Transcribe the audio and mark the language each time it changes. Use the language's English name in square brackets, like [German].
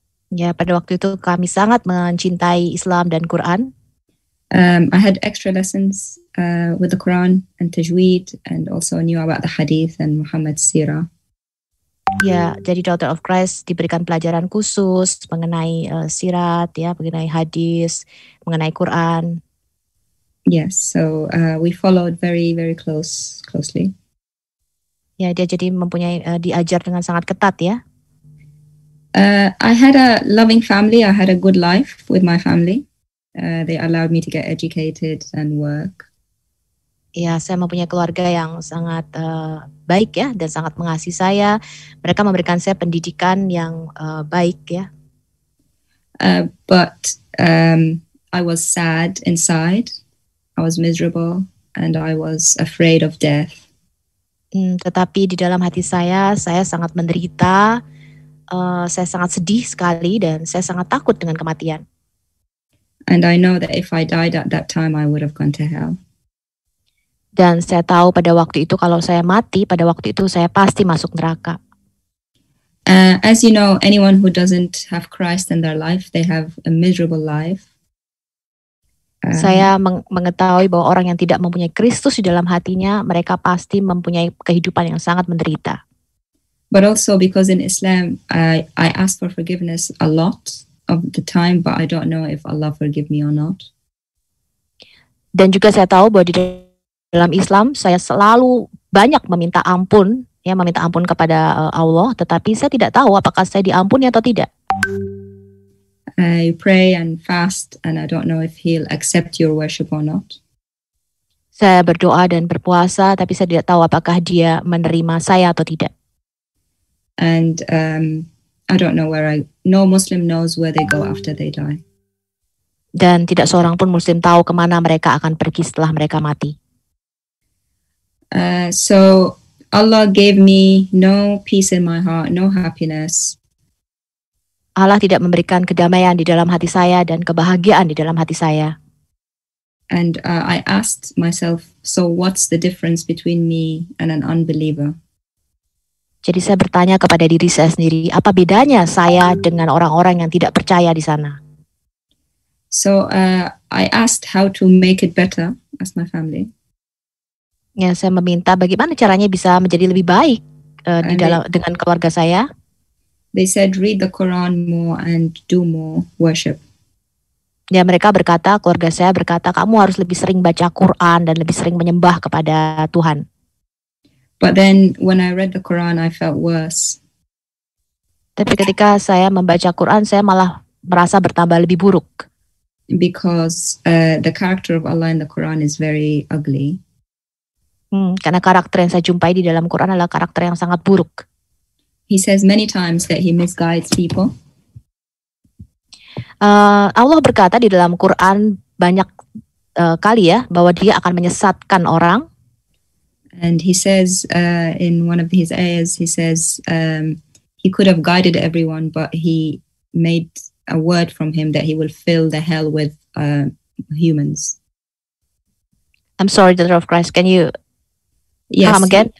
[Indonesian] Ya, pada waktu itu kami sangat mencintai Islam dan Quran. [English] I had extra lessons with the Quran and Tajweed and also knew about the Hadith and Muhammad's Sirah. [Indonesian] Ya, jadi Daughter of Christ diberikan pelajaran khusus mengenai Sirat, ya, mengenai Hadis, mengenai Quran. [English] Yes, so we followed very, very closely. [Indonesian] Ya, dia jadi mempunyai diajar dengan sangat ketat, ya. [English] I had a loving family. I had a good life with my family. They allowed me to get educated and work. [Indonesian] Ya, saya mempunyai keluarga yang sangat baik ya dan sangat mengasihi saya. Mereka memberikan saya pendidikan yang baik ya. [English] But I was sad inside. I was miserable and I was afraid of death. [Indonesian] Tetapi di dalam hati saya sangat menderita. Saya sangat sedih sekali dan saya sangat takut dengan kematian. [English] And I know that if I died at that time, I would have gone to hell. [Indonesian] Dan saya tahu pada waktu itu kalau saya mati, pada waktu itu saya pasti masuk neraka. [English] As you know, anyone who doesn't have Christ in their life, they have a miserable life. [Indonesian] Saya mengetahui bahwa orang yang tidak mempunyai Kristus di dalam hatinya, mereka pasti mempunyai kehidupan yang sangat menderita. [English] But also because in Islam, I ask for forgiveness a lot of the time, but I don't know if Allah forgive me or not. [Indonesian] Dan juga saya tahu bahwa di dalam Islam, saya selalu banyak meminta ampun, ya, meminta ampun kepada Allah, tetapi saya tidak tahu apakah saya diampuni atau tidak. [English] I pray and fast, and I don't know if He'll accept your worship or not. [Indonesian] Saya berdoa dan berpuasa, tapi saya tidak tahu apakah Dia menerima saya atau tidak. [English] And I don't know where no Muslim knows where they go after they die. [Indonesian] Dan tidak seorang pun Muslim tahu kemana mereka akan pergi setelah mereka mati. [English] So Allah gave me no peace in my heart, no happiness. [Indonesian] Allah tidak memberikan kedamaian di dalam hati saya dan kebahagiaan di dalam hati saya. [English] And I asked myself, so what's the difference between me and an unbeliever? [Indonesian] Jadi saya bertanya kepada diri saya sendiri, apa bedanya saya dengan orang-orang yang tidak percaya di sana? [English] So I asked how to make it better as my family. [Indonesian] Ya, saya meminta bagaimana caranya bisa menjadi lebih baik di dalam dengan keluarga saya. [English] They said read the Quran more and do more worship. [Indonesian] Ya, mereka berkata, keluarga saya berkata, kamu harus lebih sering baca Quran dan lebih sering menyembah kepada Tuhan. [English] But then when I read the Quran, I felt worse. [Indonesian] Tapi ketika saya membaca Quran, saya malah merasa bertambah lebih buruk. [English] Because the character of Allah in the Quran is very ugly. [Indonesian] Karena karakter yang saya jumpai di dalam Quran adalah karakter yang sangat buruk. [English] He says many times that he misguides people. [Indonesian] Allah berkata di dalam Quran banyak kali ya bahwa dia akan menyesatkan orang. [English] And he says in one of his ayahs, he says he could have guided everyone, but he made a word from him that he will fill the hell with humans. I'm sorry, daughter of Christ, can you come again?